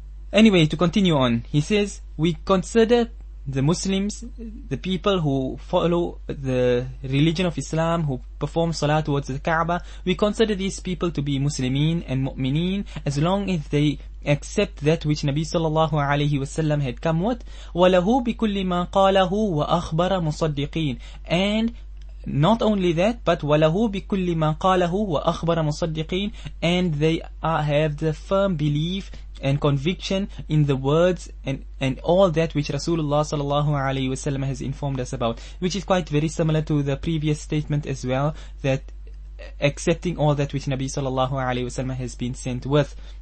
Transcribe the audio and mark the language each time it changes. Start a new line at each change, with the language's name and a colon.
English: Anyway, to continue on, he says, we consider the Muslims, the people who follow the religion of Islam, who perform salah towards the Kaaba, we consider these people to be Muslimin and Mu'mineen as long as they accept that which Nabi sallallahu alayhi wa sallam had come with.
Arabic: وَلَهُ بِكُلِّ مَا قَالَهُ وَأَخْبَرَ مُصَدِّقِينَ.
English: And not only that, but
Arabic: وَلَهُ بِكُلِّ مَا قَالَهُ وَأَخْبَرَ مُصَدِّقِينَ.
English: And they have the firm belief and conviction in the words and all that which Rasulullah sallallahu alayhi wa sallam has informed us about. Which is quite very similar to the previous statement as well, that accepting all that which Nabi sallallahu alayhi wa sallam has been sent with.